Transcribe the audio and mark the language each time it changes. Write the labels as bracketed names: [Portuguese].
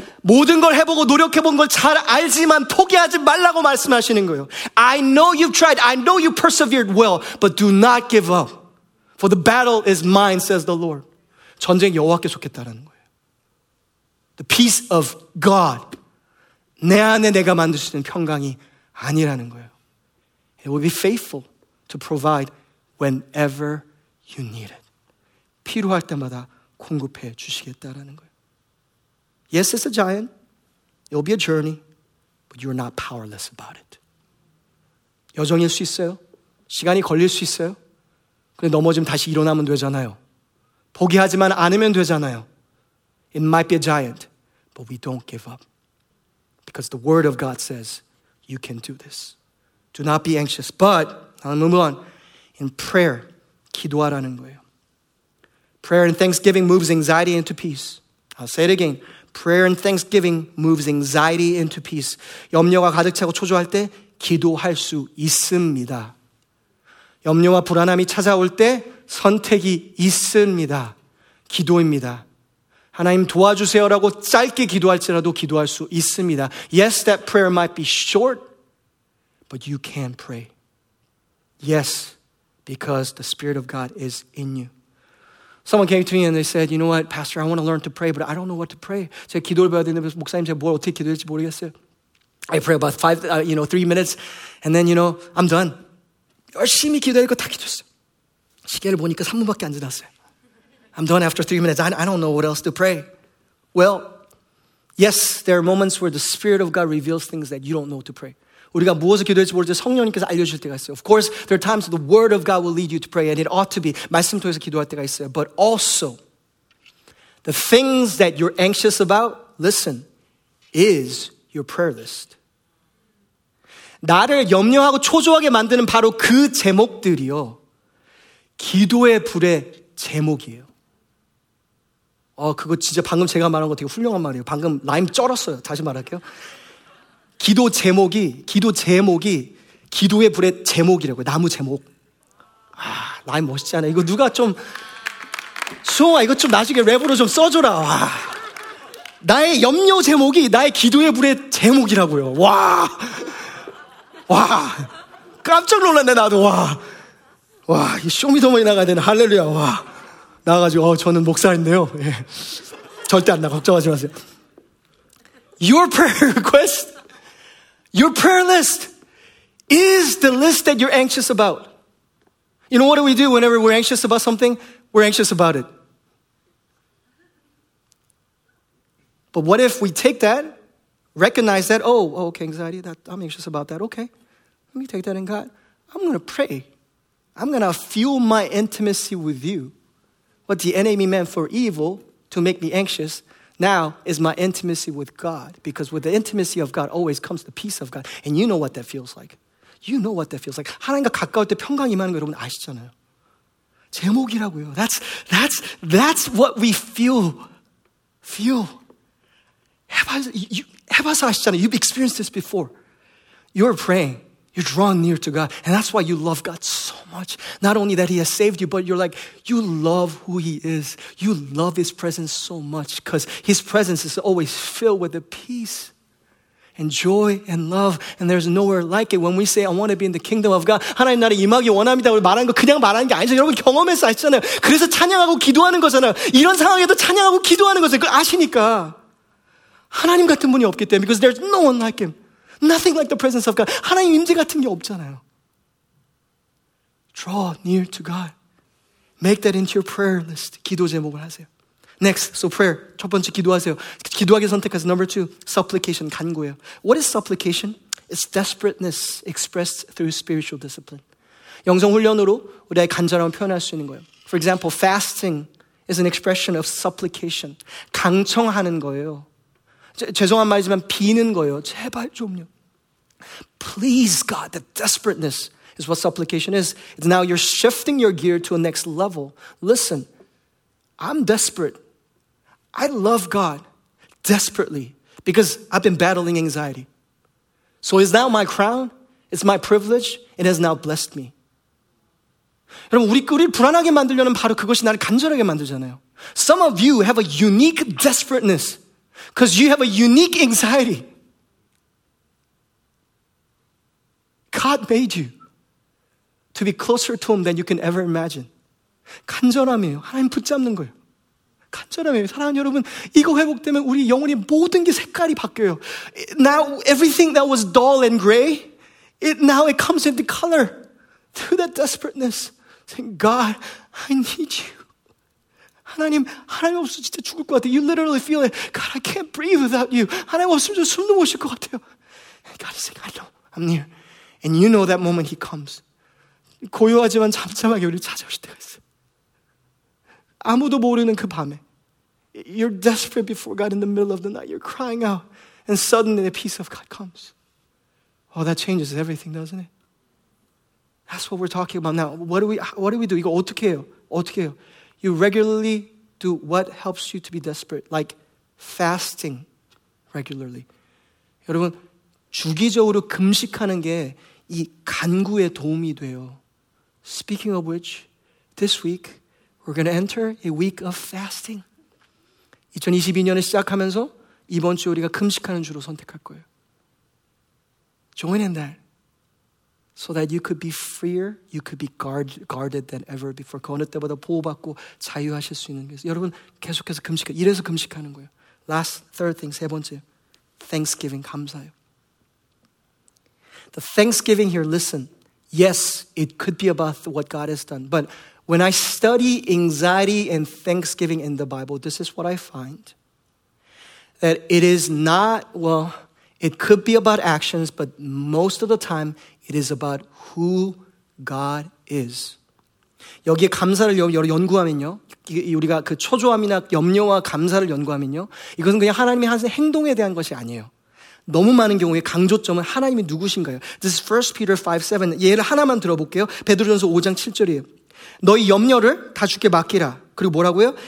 [Korean] 모든 걸 해보고 노력해본 걸 잘 알지만 포기하지 말라고 말씀하시는 거예요. [English] I know you've tried. I know you persevered well. But do not give up. For the battle is mine, says the Lord. [Korean] 전쟁 여호와께 속했다라는 거예요. [English] The peace of God. [Korean] 내 안에 내가 만들 수 있는 평강이 아니라는 거예요. [English] It will be faithful to provide whenever you need it. [Korean] 필요할 때마다 공급해 주시겠다라는 거예요. [English] Yes, it's a giant. It'll be a journey. But you're not powerless about it. [Korean] 여정일 수 있어요. 시간이 걸릴 수 있어요. 근데 넘어지면 다시 일어나면 되잖아요. 포기하지만 않으면 되잖아요. [English] It might be a giant, but we don't give up. Because the word of God says, you can do this. Do not be anxious. But, I'll move on. In prayer, [Korean] 기도하라는 거예요. [English] Prayer and thanksgiving moves anxiety into peace. I'll say it again. Prayer and thanksgiving moves anxiety into peace. [Korean] 염려가 가득 차고 초조할 때 기도할 수 있습니다. 염려와 불안함이 찾아올 때 선택이 있습니다. 기도입니다. 하나님 도와주세요라고 짧게 기도할지라도 기도할 수 있습니다. [English] Yes, that prayer might be short, but you can pray. Yes, because the Spirit of God is in you. Someone came to me and they said, you know what, Pastor, I want to learn to pray, but I don't know what to pray. [Korean] 제가 기도를 봐야 되는데, 목사님 제가 뭘 어떻게 기도할지 모르겠어요. [English] I pray about five, you know, 3 minutes, and then, you know, I'm done. [Korean] 열심히 기도하니까 다 기도했어요. 시계를 보니까 3분밖에 안 지났어요. [English] I'm done after 3 minutes. I don't know what else to pray. Well, yes, there are moments where the Spirit of God reveals things that you don't know to pray. [Korean] 우리가 무엇을 기도할지 모르지 성령님께서 알려주실 때가 있어요. [English] Of course, there are times the Word of God will lead you to pray, and it ought to be. [Korean] 말씀 통해서 기도할 때가 있어요. [English] But also, the things that you're anxious about, listen, is your prayer list. [Korean] 나를 염려하고 초조하게 만드는 바로 그 제목들이요. 기도의 불의 제목이에요. 그거 진짜 방금 제가 말한 거 되게 훌륭한 말이에요. 방금 라임 쩔었어요. 다시 말할게요. 기도 제목이 기도의 불의 제목이라고요. 나무 제목. 아, 라임 멋있지 않아요? 이거 누가 좀, 수홍아, 이거 좀 나중에 랩으로 좀 써줘라. 와. 나의 염려 제목이 나의 기도의 불의 제목이라고요. 와. 와. 깜짝 놀랐네, 나도. 와. 와, 이 쇼미더머니 나가야 되네. 할렐루야. 와. 나와가지고 저는 목사인데요. 예. 절대 안 나 걱정하지 마세요. [English] Your prayer request, your prayer list is the list that you're anxious about. You know what do we do whenever we're anxious about something? We're anxious about it. But what if we take that, recognize that, oh, okay, anxiety, that I'm anxious about that. Okay, let me take that in God. I'm going to pray. I'm going to fuel my intimacy with you. What the enemy meant for evil to make me anxious now is my intimacy with God. Because with the intimacy of God always comes the peace of God. And you know what that feels like. You know what that feels like. [Korean] 하나님과 가까울 때 평강이 임하는 거 여러분 아시잖아요. 제목이라고요. [English] That's what we feel. [Korean] 해봐서 아시잖아요. [English] You've experienced this before. You're praying. You're drawn near to God. And that's why you love God so much. Not only that he has saved you, but you're like, you love who he is. You love his presence so much because his presence is always filled with the peace and joy and love. And there's nowhere like it. When we say, I want to be in the kingdom of God, [Korean] 하나님 나를 임하기 원합니다. 말하는 거 그냥 말하는 게 아니죠. 여러분 경험해서 아시잖아요. 그래서 찬양하고 기도하는 거잖아요. 이런 상황에도 찬양하고 기도하는 거잖아요. 그걸 아시니까. 하나님 같은 분이 없기 때문에 [English] because there's no one like him. Nothing like the presence of God. [Korean] 하나님 임재 같은 게 없잖아요. [English] Draw near to God. Make that into your prayer list. [Korean] 기도 제목을 하세요. [English] Next, so prayer. [Korean] 첫 번째 기도하세요. 기도하게 선택하세요. [English] Number two, supplication, [Korean] 간구예요. [English] What is supplication? It's desperateness expressed through spiritual discipline. [Korean] 영성 훈련으로 우리의 간절함을 표현할 수 있는 거예요. [English] For example, fasting is an expression of supplication. [Korean] 강청하는 거예요. 죄송한 말이지만 비는 거예요. 제발 좀요. [English] Please God, the desperateness is what supplication is. It's now you're shifting your gear to a next level. Listen, I'm desperate. I love God desperately because I've been battling anxiety. So is now my crown? It's my privilege. It has now blessed me. [Korean] 여러분, 우리를 불안하게 만들려는 바로 그것이 나를 간절하게 만들잖아요. [English] Some of you have a unique desperateness. Because you have a unique anxiety. God made you to be closer to him than you can ever imagine. [Korean] 간절함이에요. 하나님 붙잡는 거예요. 간절함이에요. 사랑하는 여러분, 이거 회복되면 우리 영혼의 모든 게 색깔이 바뀌어요. [English] Now everything that was dull and gray, it comes into color. Through that desperateness. Saying, God, I need you. [Korean] 하나님, 하나님 없으면 진짜 죽을 것 같아요. [English] You literally feel it. God, I can't breathe without you. [Korean] 하나님 없으면 숨도 못 쉴 것 같아요. [English] And God is saying, I know, I'm near. And you know that moment he comes. [Korean] 고요하지만 잠잠하게 우리 찾아오실 때가 있어요. 아무도 모르는 그 밤에. [English] You're desperate before God in the middle of the night. You're crying out. And suddenly the peace of God comes. Oh, that changes everything, doesn't it? That's what we're talking about now. What do we do? [Korean] 이거 어떻게 해요? 어떻게 해요? [English] You regularly do what helps you to be desperate, like fasting regularly. [Korean] 여러분, 주기적으로 금식하는 게 이 간구에 도움이 돼요. [English] Speaking of which, this week, we're going to enter a week of fasting. [Korean] 2022년을 시작하면서 이번 주 우리가 금식하는 주로 선택할 거예요. [English] Join in that. So that you could be freer, you could be guarded than ever before. [Korean] 그 어느 때보다 보호받고 자유하실 수 있는 게 있어요. 여러분, 계속해서 금식해요. 이래서 금식하는 거예요. [English] Last, third thing, [Korean] 세 번째. [English] Thanksgiving, [Korean] 감사해요. [English] The Thanksgiving here, listen. Yes, it could be about what God has done. But when I study anxiety and Thanksgiving in the Bible, this is what I find. That it is not, well, it could be about actions, but most of the time, it is about who God is. [Korean] 여기에 감사를 연구하면요. 우리가 그 초조함이나 염려와 감사를 연구하면요. 이것은 그냥 하나님이 하신 행동에 대한 것이 아니에요. 너무 많은 경우에 강조점은 하나님이 누구신가요? [English] This is 1 Peter 5, 7. [Korean] 얘를 하나만 들어볼게요. 베드로전서 5장 7절이에요. 너희 염려를 다 주께 맡기라. 그리고 뭐라고요?